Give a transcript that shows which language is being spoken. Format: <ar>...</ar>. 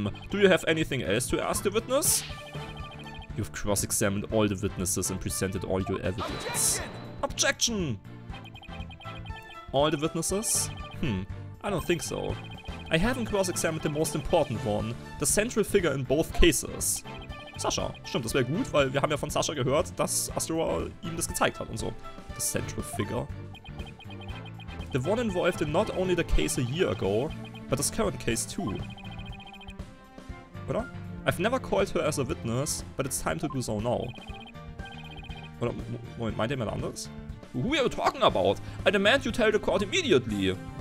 <en>Do you have anything else to ask the witness? You've cross-examined all the witnesses and presented all your evidence. Objection! All the witnesses? I don't think so. I haven't cross-examined the most important one, the central figure in both cases. Sasha.</en> <de>Stimmt, das wäre gut, weil wir haben ja von Sasha gehört, dass Astora ihm das gezeigt hat und so.</de> <en>The central figure. The one involved in not only the case a year ago, but this current case too.</en> <de>Oder?</de> <en>I've never called her as a witness, but it's time to do so now.</en> <de>Oder, Moment, meint ihr mal anders?</de> <en>Who are you talking about? I demand you tell the court immediately.</en>